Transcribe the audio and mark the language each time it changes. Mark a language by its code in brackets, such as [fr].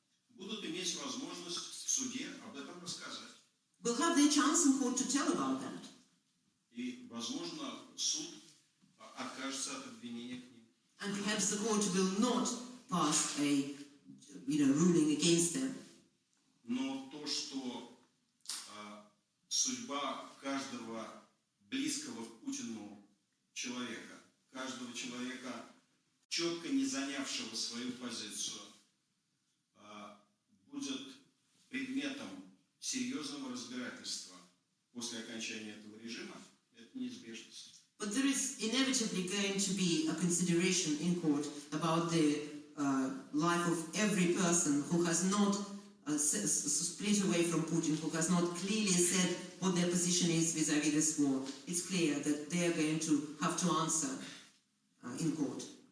[ru] Будут иметь возможность в суде об этом рассказать. [en] Will have their chance in court to tell about that. [ru] И, возможно, суд откажется от обвинения к ним. [en] And perhaps the court will not pass a, ruling against them. [ru] Но то, что судьба каждого близкого к Путину человека, каждого человека, четко не занявшего свою позицию, будет предметом серьезного разбирательства после окончания этого режима, это неизбежность. [en] But there is inevitably going to be a consideration in court about the life of every person who has not split away from Putin, who has not clearly said what their position is vis-à-vis this war. It's clear that they are going to have to answer in court.